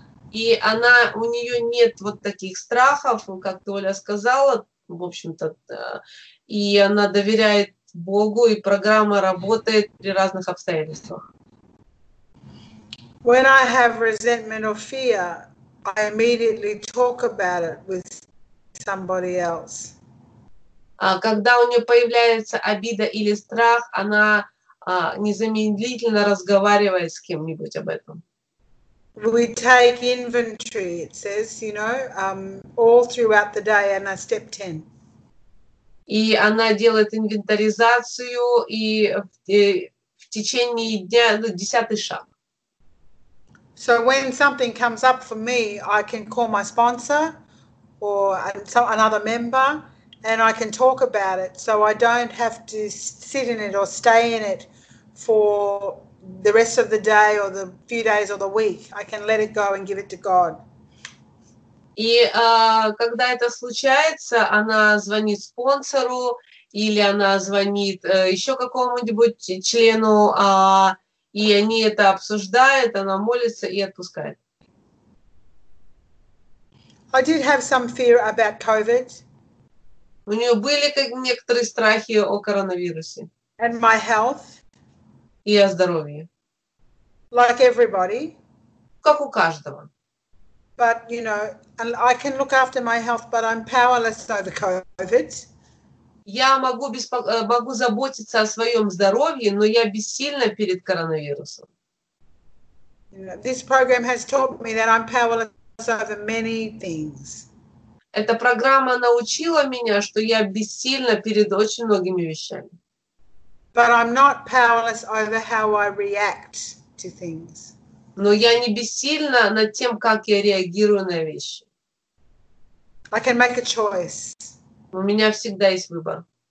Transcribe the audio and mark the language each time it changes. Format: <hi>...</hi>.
<ru>И она, у нее нет вот таких страхов, как Толя сказала, в общем-то, и она доверяет Богу, и программа работает при разных обстоятельствах.</ru> <en>When I have resentment or fear, I immediately talk about it with somebody else.</en> <ru>А когда у нее появляется обида или страх, она незамедлительно разговаривает с кем-нибудь об этом.</ru> <en>We take inventory, it says, you know, all throughout the day, and a step 10.</en> <ru>И она делает инвентаризацию и в течение дня, ну, десятый шаг.</ru> <en>So when something comes up for me, I can call my sponsor or another member, and I can talk about it, so I don't have to sit in it or stay in it for the rest of the day or the few days or the week. I can let it go and give it to God.</en> <ru>И когда это случается, она звонит спонсору или она звонит еще какому-нибудь члену, и они это обсуждают, она молится и отпускает.</ru> <en>I did have some fear about COVID.</en> <ru>У нее были некоторые страхи о коронавирусе.</ru> <en>And my health.</en> <ru>И о здоровье.</ru> <en>Like everybody.</en> <ru>Как у каждого.</ru> <en>But, you know, and I can look after my health, but I'm powerless over COVID.</en> <ru>Я могу заботиться о своем здоровье, но я бессильна перед коронавирусом.</ru> <en>You know, this program has taught me that I'm powerless over many things.</en> <ru>Эта программа научила меня, что я бессильна перед очень многими вещами.</ru> <en>But I'm not powerless over how I react to things.</en> <ru>Но я не бессильна над тем, как я реагирую на вещи.</ru> <en>I can make a choice.</en> <ru>У меня всегда есть выбор.</ru>